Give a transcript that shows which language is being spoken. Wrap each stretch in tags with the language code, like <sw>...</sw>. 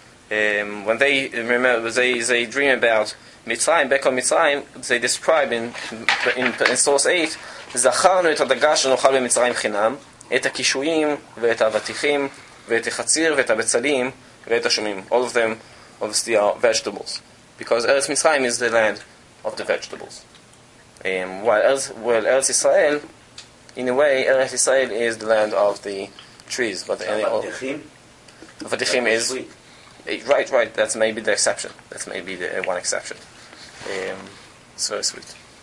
<en>When they remember, they dream about Mitzrayim, back on Mitzrayim, they describe in source eight,</en> <he>Zacharnu et hadaga shenochal b'Mitzrayim chinam. את הקישויים ואת האבטיחים ואת החציר ואת הבצלים ואת השומים.</he> <en>All of them obviously are vegetables. Because Eretz Mitzrayim is the land of the vegetables. While Eretz Israel, in a way, Eretz Israel is the land of the trees. But</en> <he>האבטיחים?</he> <en>האבטיחים is... Sweet. Right, that's maybe the exception. That's maybe the one exception. It's very sweet.</en>